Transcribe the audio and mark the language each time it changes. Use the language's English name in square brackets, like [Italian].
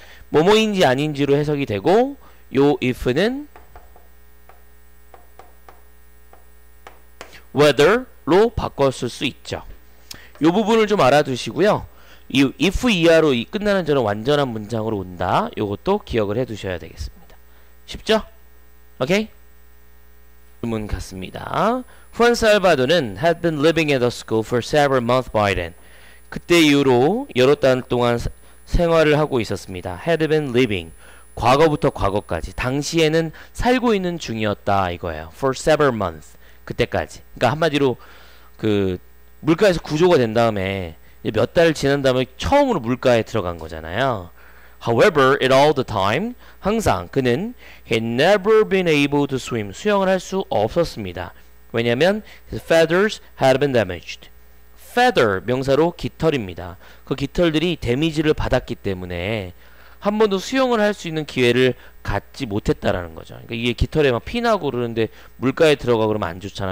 [Korean] 뭐뭐인지 아닌지로 해석이 되고 요 if는 whether로 바꿨을 수 있죠. 요 부분을 좀 알아두시고요. 이 if 이하로 이 끝나는 절은 완전한 문장으로 온다. 요것도 기억을 해두셔야 되겠습니다. 쉽죠? 오케이? 질문 같습니다. [English] Juan Salvador는 had been living at the school for several months by then. [Korean] 그때 이후로 여러 달 동안 생활을 하고 있었습니다. [English] Had been living. [Korean] 과거부터 과거까지. 당시에는 살고 있는 중이었다 이거예요. [English] For several months. [Korean] 그때까지. 그러니까 한마디로 그 물가에서 구조가 된 다음에 몇 달 지난 다음에 처음으로 물가에 들어간 거잖아요. [English] However, in all the time, [Korean] 항상 그는 [English] he never been able to swim. [Korean] 수영을 할 수 없었습니다. 왜냐하면 [English] his feathers had been damaged. Feather, [Korean] 명사로 깃털입니다. 그 깃털들이 데미지를 받았기 때문에 한 번도 수영을 할 수 있는 기회를 갖지 못했다라는 거죠. 그러니까 이게 깃털에 막 피나고 그러는데 물가에 들어가 그러면 안 좋잖아.